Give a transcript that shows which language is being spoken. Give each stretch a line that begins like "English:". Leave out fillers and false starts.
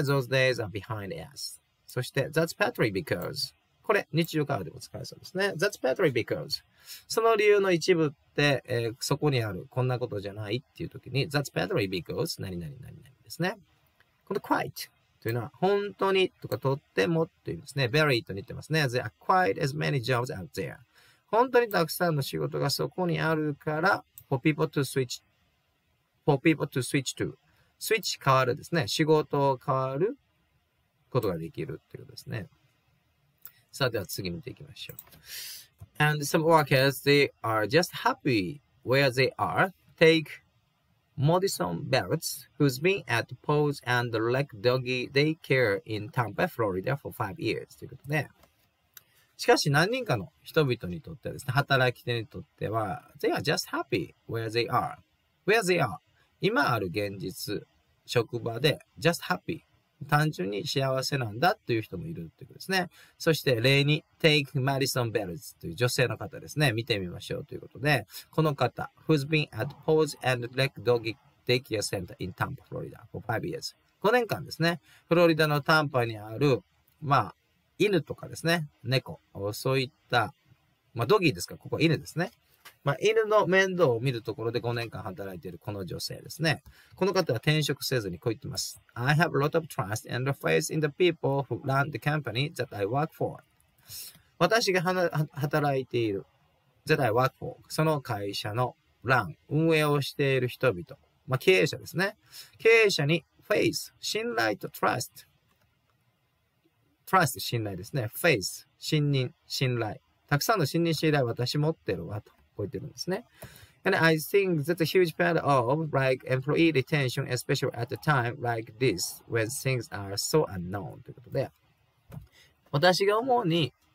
English: Those days are behind us.
Japanese: そして
English: That's partly because.
Japanese: これ日常会話でも使えそうですね。
English: That's partly because.
Japanese: その理由の一部って、そこにあるこんなことじゃないっていう時に
English: That's partly because
Japanese: 何々ですね。この quite というのは本当にとかとってもというんですね。 very と似てますね。
English: There are quite as many jobs out there.
Japanese: 本当にたくさんの仕事がそこにあるから
English: for people to switch to.
Japanese: switch 変わるですね。仕事を変わることができるということですね。さあでは次見ていきましょう。
English: And some workers, they are just happy where they are. Take... Madison Belts, who's been at Pose and Leg Doggy Daycare in Tampa, Florida for 5 years.
Japanese: ということで、しかし何人かの人々にとってですね、働き手にとっては、
English: they are just happy where they are.
Japanese: Where they are. 今ある現実、職場で
English: just happy.
Japanese: 単純に幸せなんだという人もいるということですね。そして例に、take Madison Belts という女性の方ですね。見てみましょうということで、この方、
English: who's been at Pose and Leg Doggy Daycare Center in Tampa, Florida for 5 years.
Japanese: 5年間ですね。フロリダのタンパにある、まあ、犬とかですね。猫。そういった、まあ、ドギーですか。ここは犬ですね。まあ、犬の面倒を見るところで5年間働いているこの女性ですね。この方は転職せずにこう言ってます。
English: I have a lot of trust and faith in the people who run the company that I work for.
Japanese: 私が働いている、
English: that I work for,
Japanese: その会社の run、運営をしている人々、まあ、経営者ですね。経営者に faith、信頼と trust。trust、信頼ですね。 faith、信任、信頼。たくさんの信任、信頼私持ってるわと。こう言ってるんですね。
English: And I think that's a huge part of like employee retention, especially at a time like this when things are so unknown.
Japanese: ということで、私が思うに、